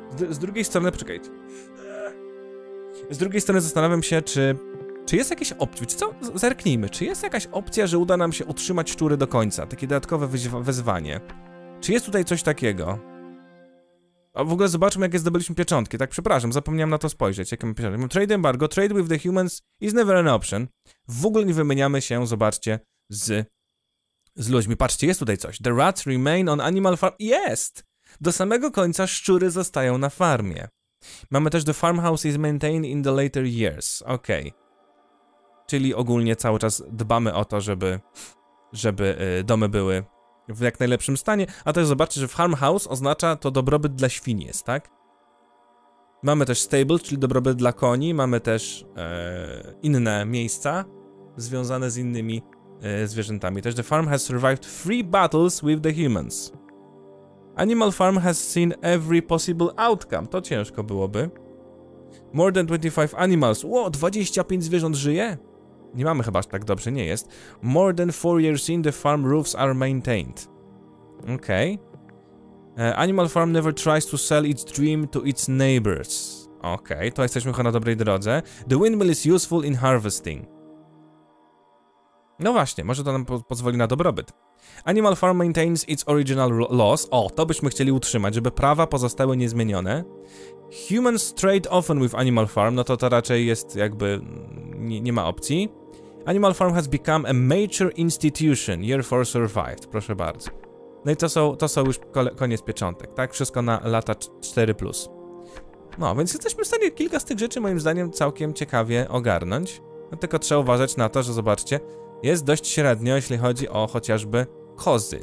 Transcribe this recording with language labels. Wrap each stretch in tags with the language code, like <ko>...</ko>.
<pl>Z drugiej strony, poczekajcie. Z drugiej strony zastanawiam się, czy jest jakieś opcje, co? Zerknijmy, czy jest jakaś opcja, że uda nam się utrzymać szczury do końca? Takie dodatkowe wyzwanie. Czy jest tutaj coś takiego? A w ogóle zobaczmy, jakie zdobyliśmy pieczątki. Tak, przepraszam, zapomniałem na to spojrzeć. Jakie mamy pieczątki?</pl> <en>Trade embargo, trade with the humans is never an option.</en> <pl>W ogóle nie wymieniamy się, zobaczcie, z ludźmi. Patrzcie, jest tutaj coś.</pl> <en>The rats remain on animal farm.</en> <pl>Jest! Do samego końca szczury zostają na farmie. Mamy też</pl> <en>the farmhouse is maintained in the later years. Okej. Okay.</en> <pl>Czyli ogólnie cały czas dbamy o to, żeby domy były w jak najlepszym stanie, a też zobaczcie, że farmhouse oznacza to dobrobyt dla świni jest, tak? Mamy też stable, czyli dobrobyt dla koni, mamy też inne miejsca związane z innymi zwierzętami.</pl> <en>Też the farm has survived 3 battles with the humans. Animal farm has seen every possible outcome.</en> <pl>To ciężko byłoby.</pl> <en>More than 25 animals.</en> <pl>Ło, 25 zwierząt żyje? Nie mamy chyba, aż tak dobrze nie jest.</pl> <en>More than 4 years in, the farm roofs are maintained. Okej. Okay. Animal farm never tries to sell its dream to its neighbors.</en> <pl>Okej, okay, to jesteśmy chyba na dobrej drodze.</pl> <en>The windmill is useful in harvesting.</en> <pl>No właśnie, może to nam pozwoli na dobrobyt.</pl> <en>Animal farm maintains its original laws.</en> <pl>O, to byśmy chcieli utrzymać, żeby prawa pozostały niezmienione.</pl> <en>Humans trade often with animal farm,</en> <pl>no to raczej jest jakby, nie ma opcji.</pl> <en>Animal farm has become a major institution, year four survived,</en> <pl>proszę bardzo. No i to są już koniec pieczątek, tak? Wszystko na lata 4+. No, więc jesteśmy w stanie kilka z tych rzeczy, moim zdaniem, całkiem ciekawie ogarnąć. No tylko trzeba uważać na to, że zobaczcie, jest dość średnio, jeśli chodzi o chociażby kozy.</pl>